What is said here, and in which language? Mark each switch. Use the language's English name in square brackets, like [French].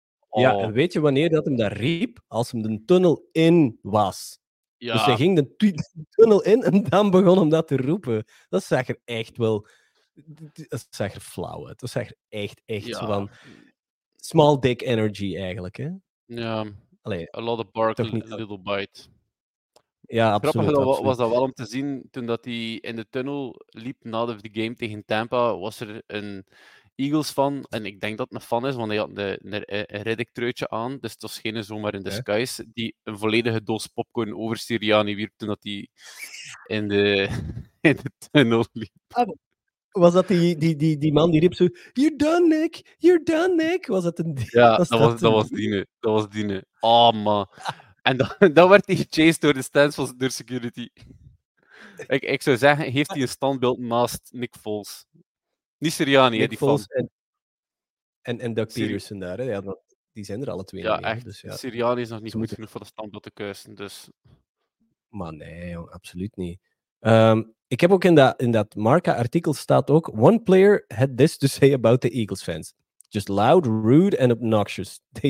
[Dutch] Ja, en weet je wanneer dat hem dat riep? Als hem de tunnel in was. Ja. Dus hij ging de tunnel in en dan begon hem dat te roepen. Dat zag er echt wel... Dat zag er flauw uit. Dat zag er echt zo van... [English] Small dick energy [Dutch] eigenlijk, hè? Ja. [English] Allee, a lot of bark and a little bite. [Dutch] Ja, absoluut. Grappig was dat wel om te zien, toen dat hij in de tunnel liep na de game tegen Tampa, was er een Eagles-fan, en ik denk dat het een fan is, want hij had een Riddick-treutje aan, dus het was geen zomaar [English] in disguise, [Dutch] die een volledige doos popcorn over Sirianni wierp toen dat hij in de tunnel liep. Was dat die man die riep zo, [English] you're done, Nick, you're done, Nick? [Dutch] Was dat een... Ja, dat was Dine. Oh, man. En dan werd hij gechased door de stands van de security. Ik zou zeggen, heeft hij een standbeeld naast Nick Foles? Niet Sirianni, Nick die Foles fan. En Doug Peterson daar, hè? Ja, die zijn er alle 2. Ja, echt. Dus, ja. Sirianni is nog niet goed genoeg voor de standbeeld te kussen. Dus. Maar nee, jong, absoluut niet. Ik heb ook in dat Marca-artikel staat ook... [English] One player had this to say about the Eagles fans. Just loud, rude and obnoxious.